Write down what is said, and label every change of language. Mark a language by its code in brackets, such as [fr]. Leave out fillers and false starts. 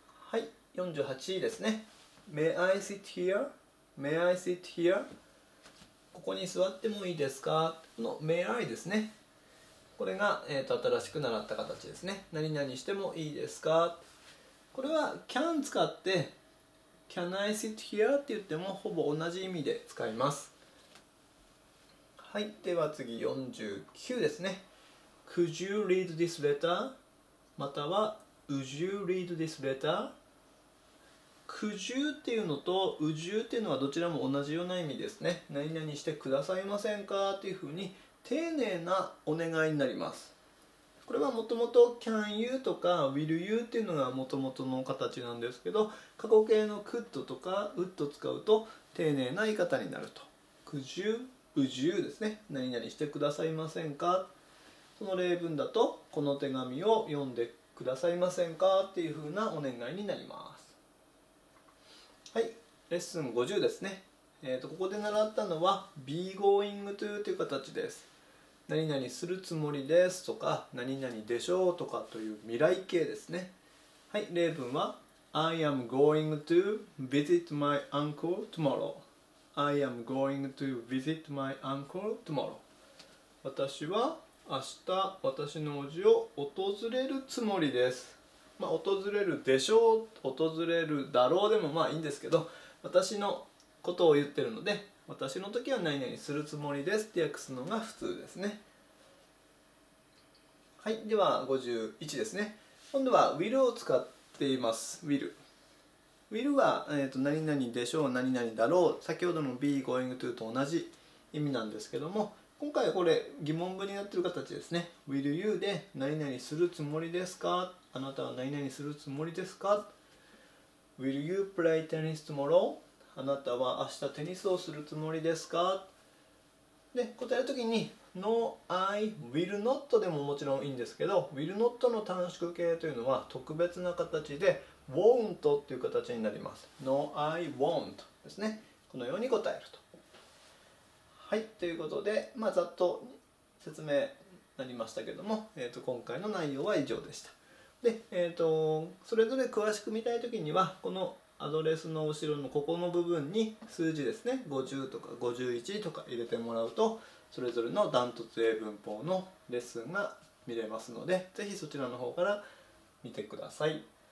[ja] はい、48ですね。 [en] May I sit here? May I sit here? [ja] ここに座ってもいいですか。この May I ですね。これが、新しく習った形ですね。何々してもいいですか。 [en] これは Can 使って Can I sit here? [ja] って言ってもほぼ同じ意味で使います。はい、では次49ですね。 [en] Could you read this letter? または Would you read this letter? [ja] Could you っていうのと Would you っていうのはどちらも同じような意味ですね。何々してくださいませんかっていうふうに丁寧なお願いになります。これはもともと Can you とか Will you っていうのがもともとの形なんですけど、過去形の Could とか Would 使うと丁寧な言い方になると。 Could you? 宇宙ですね。何々してくださいませんか。その例文だと、この手紙を読んでくださいませんかっていうふうなお願いになります。はい、レッスン50ですね。ここで習ったのは Be going to という形です。何々するつもりですとか、何々でしょうとかという未来形ですね。はい、例文は [en] I am going to visit my uncle tomorrowI am going to visit my uncle tomorrow. [ja] 私は明日私のおじを訪れるつもりです。まあ、訪れるでしょう、訪れるだろうでもまあいいんですけど、私のことを言ってるので、私の時は何々するつもりですって訳すのが普通ですね。はい、では51ですね。今度は will を使っています。 [en] will。 [ja] Will は、何々でしょう、何々だろう、先ほどの Be going to と同じ意味なんですけども、今回はこれ疑問文になっている形ですね。 Will you で何々するつもりですか、あなたは何々するつもりですか。 [en] Will you play tennis tomorrow? [ja] あなたは明日テニスをするつもりですか。で、答えるときに [en] No, I will not [ja] でももちろんいいんですけど、Will not の短縮形というのは特別な形で、won't っていう形になります。 [en] No, I won't ですね。 [ja] このように答えると。はい、ということで、まあ、ざっと説明になりましたけども、今回の内容は以上でした。で、それぞれ詳しく見たいときには、このアドレスの後ろのここの部分に数字ですね、50とか51とか入れてもらうと、それぞれのダントツ英文法のレッスンが見れますので、ぜひそちらの方から見てください。